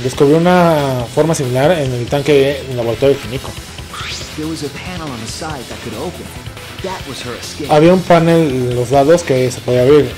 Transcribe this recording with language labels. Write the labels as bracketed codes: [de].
[es] Descubrí una forma similar en el tanque en el laboratorio de Himiko. [en] There was a panel on the side that could open. That was her escape. [es] Había un panel en los lados que se podía abrir.